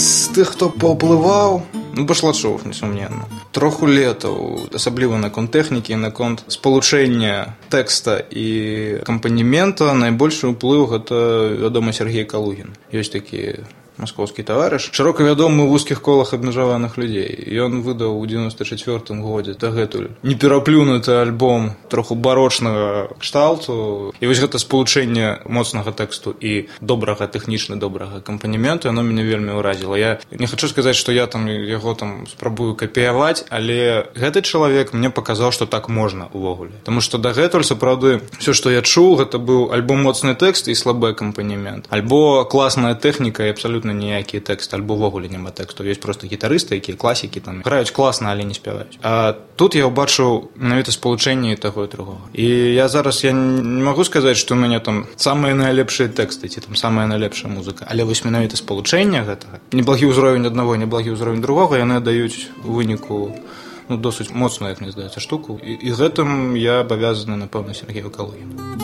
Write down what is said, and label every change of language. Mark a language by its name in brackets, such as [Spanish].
[Belarusian] Тых, хто паўплываў, ну, Башлачоў, несумненна. Троху летаў, асабліва на конт тэхнікі, на конт спалучэння тэкста і акампанемента, найбольшы ўплыў гэта, вядома, Сергей Калугін. Ёсць такі [Russian] московский товарищ, широко вядомы в узких колах абмежаваных людей. И он выдал у 94-м годе дагэтуль непераплюнутый альбом троху барочного кшталту. И вот это сполучение моцного тексту и доброго, технично доброго аккомпанемента, оно меня вельми уразило. Я не хочу сказать, что я там его там спробую копировать, але этот человек мне показал, что так можно увогуле. Потому что дагэтуль, саправды, все, что я чул, это был альбо моцный текст и слабый аккомпанемент. Альбо классная техника и абсолютно ніякий текст, альбо вогуле нема тексту. Есть просто гитаристы, [Belarusian] які класики там граюць класна, але не спяваюць. А тут я убачыў менавіта спалучэнне таго і другого. І я зараз я не могу сказаць, [Russian] что у меня там самые [Belarusian] найлепшыя тексты, ці там самая найлепшая музыка. Але вось менавіта спалучэнне гэтага, неблагі ўзровень аднаго, неблагі ўзровень другого, яны даюць у выніку ну, досыць моцную, як мне здаецца, штуку. І гэтым я абавязаны, напэўна, Сергею Калугіну.